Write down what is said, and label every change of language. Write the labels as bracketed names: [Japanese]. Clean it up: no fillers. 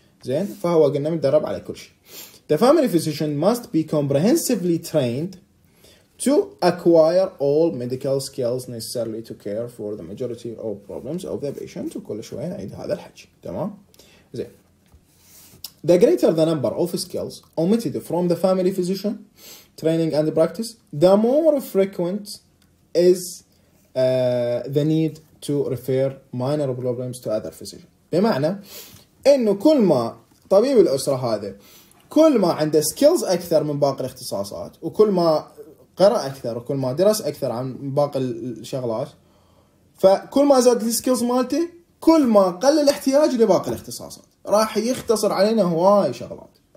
[Arabic] زين, فهو قلنا مدرب على كل شيء. [English] The family physician must be comprehensively trained to acquire all medical skills necessary to care for the majority of problems of the patient. [Arabic] وكل شوية نعيد هذا الحكي. تمام؟ زين, [English] the greater the number of skills omitted from the family physician training and practice, the more frequent is the need to refer minor problems to other physicians. [Arabic] بمعنى انه كل ما طبيب الاسره هذا كل ما عنده سكيلز اكثر من باقي الاختصاصات, وكل ما قرا اكثر وكل ما درس اكثر عن باقي الشغلات, فكل ما زاد السكيلز مالته كل ما قل الاحتياج لباقي الاختصاصات, راح يختصر علينا هواي شغلات.